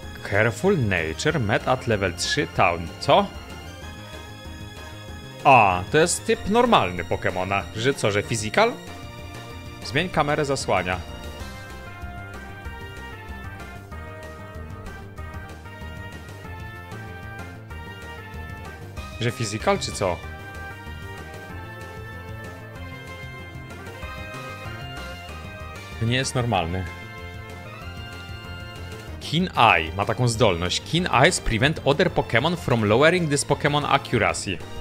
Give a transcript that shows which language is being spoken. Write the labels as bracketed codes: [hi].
[en] Careful Nature Met at level 3 Town. [pl] Co? A, to jest typ normalny Pokemona. Że co, że physical? Zmień kamerę zasłania. Że physical, czy co? Nie jest normalny. Keen Eye ma taką zdolność. [en] Keen Eyes prevent other Pokemon from lowering this Pokemon accuracy.